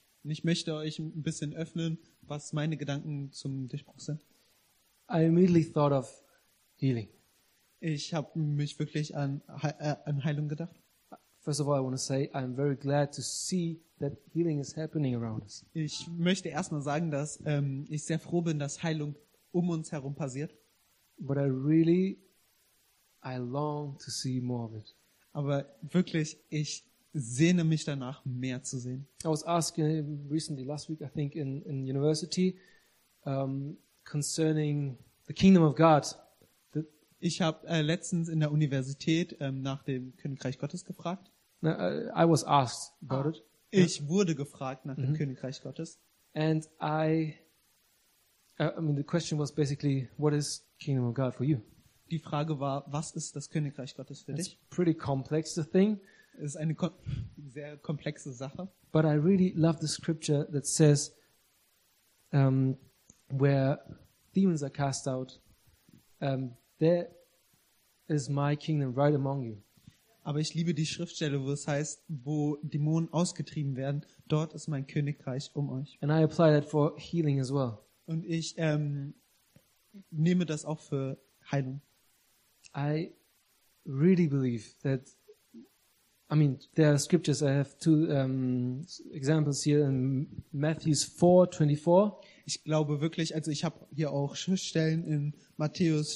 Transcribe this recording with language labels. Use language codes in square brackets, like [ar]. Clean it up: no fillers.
[de] Und ich möchte euch ein bisschen öffnen, was meine Gedanken zum Durchbruch sind. [en] I immediately thought of healing. [de] Ich habe mich wirklich an Heilung gedacht. [en] First of all, I want to say I'm very glad to see that healing is happening around us. [de] Ich möchte erstmal sagen, dass ich sehr froh bin, dass Heilung um uns herum passiert. [en] But I long to see more of it. [de] Aber wirklich, ich sehne mich danach, mehr zu sehen. [en] I was asking recently, last week, I think, in university, concerning the kingdom of God. [de] Ich habe letztens in der Universität nach dem Königreich Gottes gefragt. [en] I was asked about it. [de] Ich wurde gefragt nach dem Königreich Gottes. [en] And I mean, the question was basically, what is kingdom of God for you? [de] Die Frage war, was ist das Königreich Gottes für dich? [en] It's pretty complex, the thing. [de] Es ist eine sehr komplexe Sache. [en] But I really love the scripture that says, where demons are cast out, there is my kingdom right among you. [de] Aber ich liebe die Schriftstelle, wo es heißt, wo Dämonen ausgetrieben werden, dort ist mein Königreich um euch. [en] And I apply that for healing as well. [de] Und ich nehme das auch für Heilung. [en] I really believe that. I mean, there are scriptures. I have two examples here in Matthew 4:24. [de] Ich glaube wirklich. Also ich habe hier auch Schriftstellen in Matthäus